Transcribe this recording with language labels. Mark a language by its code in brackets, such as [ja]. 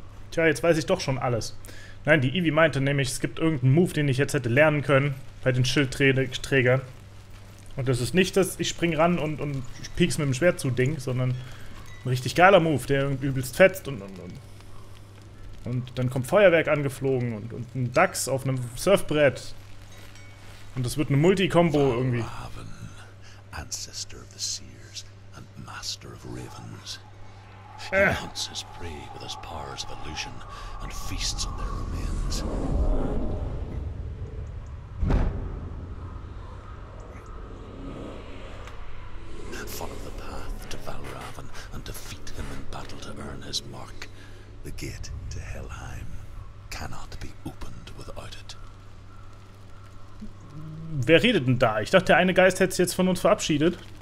[de] Tja, jetzt weiß ich doch schon alles. Nein, die Ivy meinte nämlich, es gibt irgendeinen Move, den ich jetzt hätte lernen können bei den Schildträgern. Und das ist nicht das, ich spring ran und piek's mit dem Schwert zu Ding, sondern ein richtig geiler Move, der irgendwie übelst fetzt und. Und dann kommt Feuerwerk angeflogen und ein Dachs auf einem Surfbrett. Und das wird eine Multi-Kombo irgendwie. [en] Raven, Ancestor of the Seers and Master of Ravens. He hunts his prey with his powers of illusion and feasts on their remains. Follow the path to Valraven and defeat him in battle to earn his mark. The gate to Helheim cannot be opened without it. [de] Wer redet denn da? Ich dachte, der eine Geist hätte sich jetzt von uns verabschiedet.